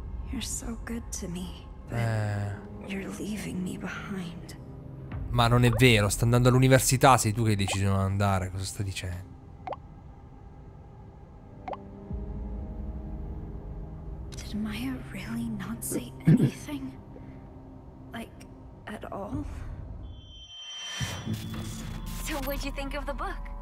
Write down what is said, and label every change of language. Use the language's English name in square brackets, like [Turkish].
[English] You're so good to me, but you're leaving me behind. [Italian] Ma non è vero, sta andando all'università, sei tu che hai deciso di non andare, cosa sta dicendo? [English] Did Maya really not say anything? Like at all? So what'd you think of the book?